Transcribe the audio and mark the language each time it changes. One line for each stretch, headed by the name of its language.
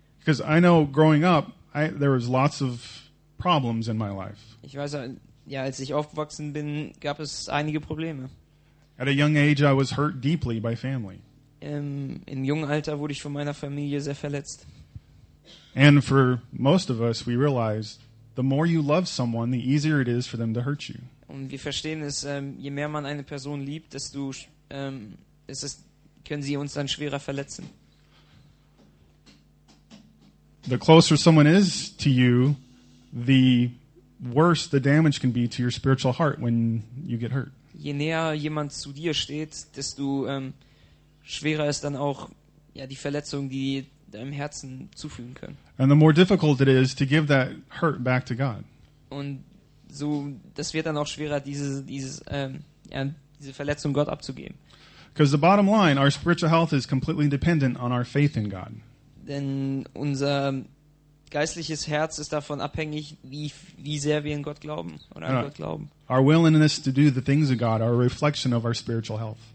English: Because I know, growing up, there was lots of problems in my life.
German: Ich weiß, ja, als ich aufgewachsen bin, gab es einige Probleme.
English: At a young age, I was hurt deeply by family.
German: Im jungen Alter wurde ich von meiner Familie sehr verletzt.
English: And for most of us, we realized the more you love someone, the easier it is for them to hurt you.
German: Und wir verstehen es, je mehr man eine Person liebt, desto können sie uns dann schwerer verletzen.
English: The closer someone is to you, the worse the damage can be to your spiritual heart when you get hurt.
German: Je näher jemand zu dir steht, desto schwerer ist dann auch die Verletzung, die deinem Herzen zufügen können.
English: And the more difficult it is to give that hurt back to God.
German: Und so, das wird dann auch schwerer, diese Verletzung Gott abzugeben.
English: Because the bottom line, our spiritual health is completely dependent on our faith in God.
German: Denn unser geistliches Herz ist davon abhängig, wie sehr wir in Gott glauben oder an Gott glauben.
English: Our willingness to do the things of God are a reflection of our spiritual health.